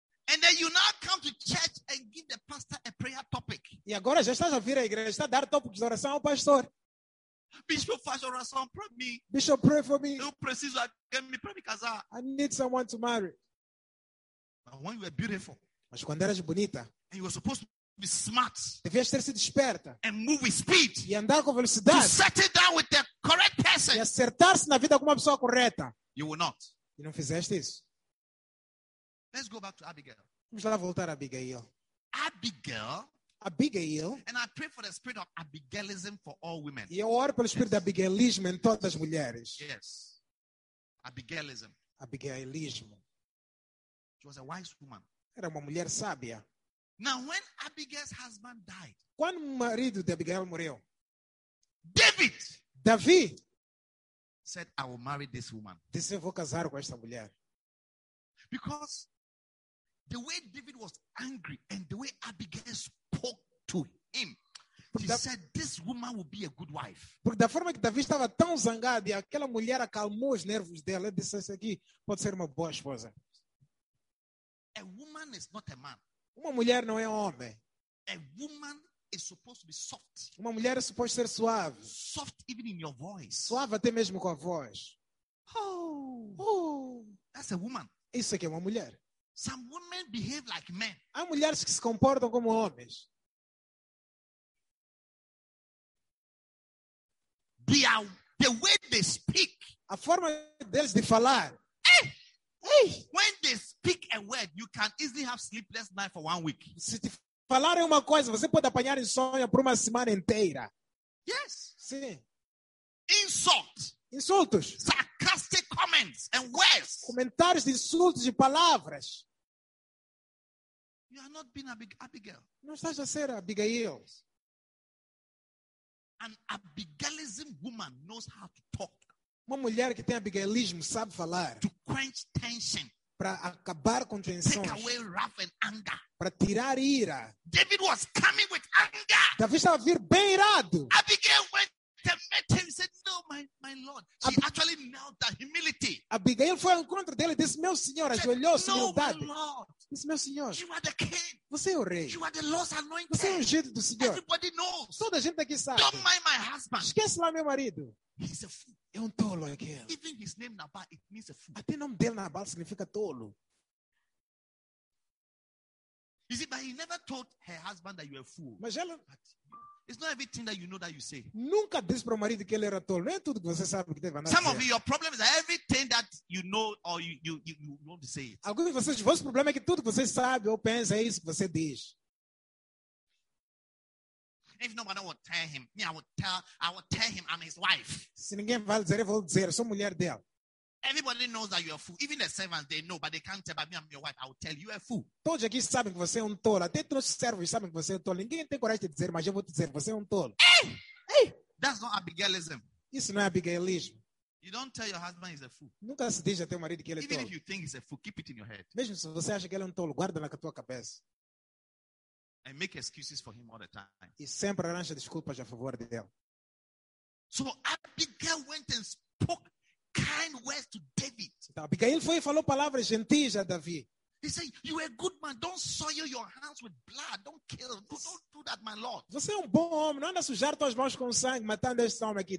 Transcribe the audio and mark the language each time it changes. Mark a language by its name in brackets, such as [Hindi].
[English] And then you now come to church and give the pastor a prayer topic. [Portuguese] E agora já estás a vir à igreja, está a dar tópico de oração ao pastor. Bishop, faz oração para mim. [English] Bishop, pray for me. [Portuguese] Eu preciso alguém me para me casar. [English] I need someone to marry. But when you were beautiful. [Portuguese] Mas quando eras bonita. [English] And you were supposed to be smart. [Portuguese] Devias ter sido esperta. [English] And move with speed. [Portuguese] E andar com velocidade. [English] To settle down with the correct person. [Portuguese] E acertar-se na vida com uma pessoa correta. [English] You will not. [Portuguese] E não fizeste isso. [English] Let's go back to Abigail. [Portuguese] Vamos lá voltar a Abigail. [English] Abigail. [Portuguese] Abigail. [English] And I pray for the spirit of Abigailism for all women. [Portuguese] E eu oro pelo espírito de Abigailismo em todas as mulheres. [English] Yes. Abigailism. [Portuguese] Abigailismo. [English] She was a wise woman. [Portuguese] Era uma mulher sábia. [English] Now, when Abigail's husband died, [Portuguese] quando o marido de Abigail morreu, [English] David, [Portuguese] Davi, [English] said, "I will marry this woman." [Portuguese] Disse, vou casar com esta mulher. [English] Because the way David was angry and the way Abigail spoke to him, she said, "This woman will be a good wife." [Portuguese] Porque da forma que Davi estava tão zangado e aquela mulher acalmou os nervos dela, ele disse, "Essa aqui pode ser uma boa esposa." [English] A woman is not a man. [Portuguese] Uma mulher não é um homem. [English] A woman is supposed to be soft. [Portuguese] Uma mulher é suposto ser suave. [English] Soft even in your voice. [Portuguese] Suave até mesmo com a voz. [English] Oh. [Portuguese] Oh. [English] That's a woman. [Portuguese] Isso aqui é uma mulher. [English] Some women behave like men. [Portuguese] Há mulheres que se comportam como homens. [English] They are, the way they speak. [Portuguese] A forma deles de falar. [English] When they speak a word, you can easily have sleepless night for 1 week. [Portuguese] Se te falarem uma coisa, você pode apanhar insônia por uma semana inteira. [English] Yes. [Portuguese] Sim. [English] Insult. [Portuguese] Insultos. [English] Sarcastic comments and words. [Portuguese] Comentários de insultos e palavras. [English] You are not being Abigail. [Portuguese] Não estás a ser Abigail. [English] An Abigailism woman knows how to talk. [Portuguese] Uma mulher que tem abigailismo sabe falar. [English] To quench tension. [Portuguese] Para acabar com tensões. [English] Take away wrath and anger. [Portuguese] Para tirar ira. [English] David was coming with anger. [Portuguese] Davi estava a vir bem irado. [English] Abigail went and met him and said, "No, my lord." She actually knelt down, humility. [Portuguese] Abigail foi ao encontro dele e disse, "Meu senhor," ajoelhou-se, [English] "no, [Portuguese] humildade." [English] "No, my lord." [Portuguese] Disse, "Meu senhor." [English] "You are the king." [Portuguese] "Você é o rei." [English] "You are the Lord's anointed." [Portuguese] "Você é ungido do Senhor." [English] "Everybody knows." [Portuguese] Toda a gente aqui sabe. [English] "Don't mind my husband." [Portuguese] Esquece lá meu marido. [English] "He's a fool." [Portuguese] É um tolo aquele. [English] Even his name Nabal, it means a fool. [Portuguese] Até o nome dele Nabal significa tolo. [English] You see, but he never told her husband that you are a fool. [Portuguese] Mas ela, but [English] it's not everything that you know that you say. [Portuguese] Nunca disse para o marido que ele era tolo. Não é tudo que você sabe que deve. [English] Some of your problem is that everything that you know or you don't say it. [Portuguese] Alguns de vocês, o vosso problema é que tudo que você sabe ou pensa é isso que você diz. [English] If no one will tell him, me, I will tell him I'm his wife. [Portuguese] Se ninguém vai dizer, eu vou dizer, sou mulher dele. [English] Everybody knows that you're a fool. Even the servants, they know, but they can't tell. But me, I'm your wife. I will tell you, you're a fool. [Portuguese] Todos aqui sabem que você é um tolo. Até todos os servos sabem que você é um tolo. Ninguém tem coragem de dizer, mas eu vou dizer, você é um tolo. [English] Hey! That's not Abigailism. [Portuguese] Isso não é Abigailismo. [English] You don't tell your husband he's a fool. [Portuguese] Nunca se diz a teu marido que ele é tolo. [English] Even if you think he's a fool, keep it in your head. [Portuguese] Mesmo se você acha que ele é um tolo, guarda na tua cabeça. [English] And make excuses for him all the time. [Portuguese] E sempre arranja desculpas a favor dele. [English] So Abigail went and spoke kind words to David. [Portuguese] Então, Abigail foi e falou palavras gentis a Davi. [English] He said, "You are a good man. Don't soil your hands with blood. Don't kill. Don't do that, my lord." [Portuguese] Você é um bom homem. Não anda a sujar tuas mãos com sangue matando este homem aqui.